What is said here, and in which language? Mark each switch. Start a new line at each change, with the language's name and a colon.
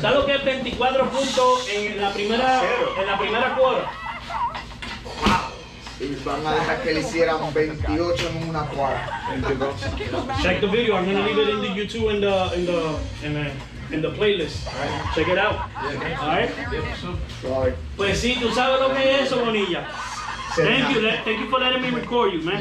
Spanish: ¿Sabes lo que es 24 puntos en la primera cuadra? Y van a dejar que le hicieran 28 en una cuadra.
English: Check the video. I'm going to leave it in the YouTube in the playlist. Right. Check it out. Alright.
Spanish: Pues sí, tú sabes lo que es eso, Bonilla.
English: Thank you for letting me record you, man.